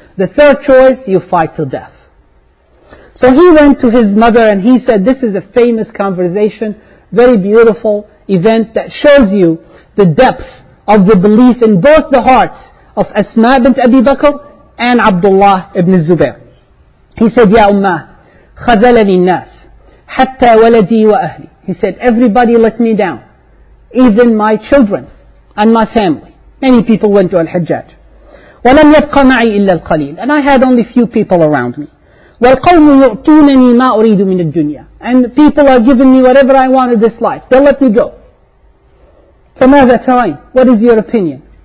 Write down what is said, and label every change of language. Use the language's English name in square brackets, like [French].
[English] The third choice, you fight till death. So he went to his mother, and he said, this is a famous conversation, very beautiful event that shows you the depth of the belief in both the hearts of Asma bint Abi Bakr and Abdullah ibn Zubayr. He said, [Arabic] Ya Ummah, خَذَلَنِي النَّاسِ حَتَّى وَلَدِي وَأَهْلِي. [English] He said, everybody let me down, even my children and my family. Many people went to Al-Hajjaj. [Arabic] وَلَمْ يَبْقَ مَعِي إِلَّا الْقَلِيلِ. [English] And I had only few people around me. [Arabic] وَالْقَوْمُ يُعْطُونَنِي مَا أُرِيدُ مِنَ الدُّنْيَا. [English] And people are giving me whatever I want in this life. They'll let me go. [Arabic] فَمَاذَا تَرَيْنَ. [English] What is your opinion?